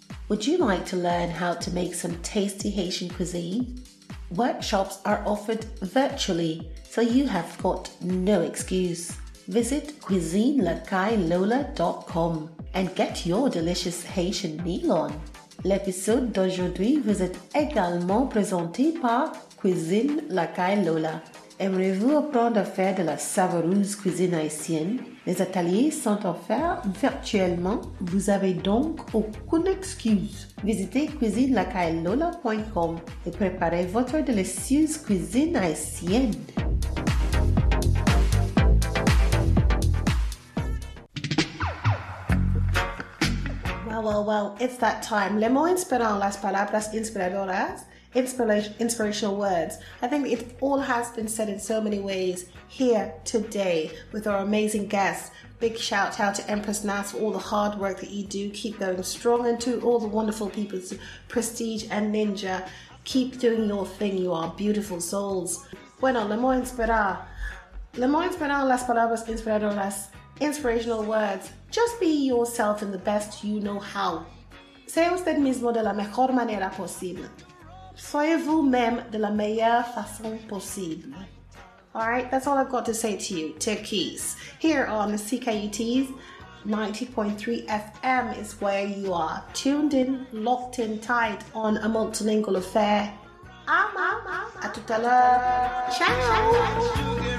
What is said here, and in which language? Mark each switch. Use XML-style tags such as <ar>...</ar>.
<en>Would you like to learn how to make some tasty Haitian cuisine? Workshops are offered virtually, so you have got no excuse. Visit cuisinelakailola.com and get your delicious Haitian meal on.</en> <fr>L'épisode d'aujourd'hui vous est également présenté par Cuisine La Caille Lola. Aimerez-vous apprendre à faire de la savoureuse cuisine haïtienne? Les ateliers sont offerts virtuellement. Vous avez donc aucune excuse. Visitez cuisinelakailola.com et préparez votre délicieuse cuisine haïtienne.</fr> <en>Well, it's that time.</en> <fr>Les mots inspirants,</fr> <es>las palabras inspiradoras,</es> <en>inspirational words. I think it all has been said in so many ways here today with our amazing guests. Big shout out to Empress Nas for all the hard work that you do. Keep going strong. And to all the wonderful people, Prestige and Ninja, keep doing your thing. You are beautiful souls.</en> <es>Bueno,</es> <fr>les mots inspirants,</fr> <es>las palabras inspiradoras,</es> <en>inspirational words. Just be yourself in the best you know how.</en> <es>Sea usted mismo de la mejor manera posible.</es> <fr>Soy vous-même de la meilleure façon possible.</fr> <en>All right, that's all I've got to say to you, Turkeys. Here on the CKUT's 90.3 FM is where you are tuned in, locked in tight on a multilingual affair.</en> <fr>A tout à l'heure.</fr> <en>Ciao.</en>